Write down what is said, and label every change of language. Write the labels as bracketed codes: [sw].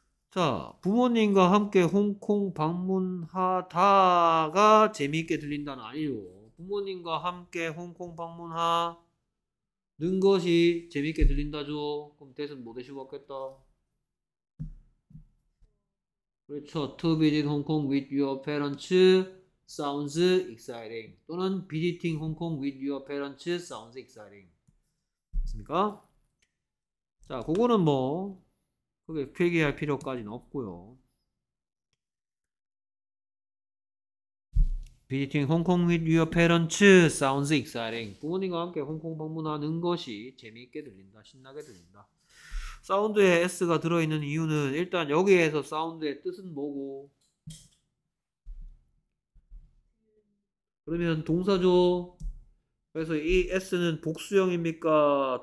[ko] 자, 부모님과 함께 홍콩 방문하다가 재미있게 들린다는 아니요. 부모님과 함께 홍콩 방문하는 것이 재미있게 들린다죠. 그럼 that은 뭐 되시고 왔겠다. 그렇죠. [en] To visit Hong Kong with your parents sounds exciting. 또는 visiting Hong Kong with your parents sounds exciting. [ko] 맞습니까? 자, 그거는 뭐 크게 필기할 필요까지는 없고요. [en] Visiting Hong Kong with your parents sounds exciting. [ko] 부모님과 함께 홍콩 방문하는 것이 재미있게 들린다. 신나게 들린다. 사운드에 S가 들어있는 이유는 일단 여기에서 사운드의 뜻은 뭐고? 그러면 동사죠. 그래서 이 S는 복수형입니까?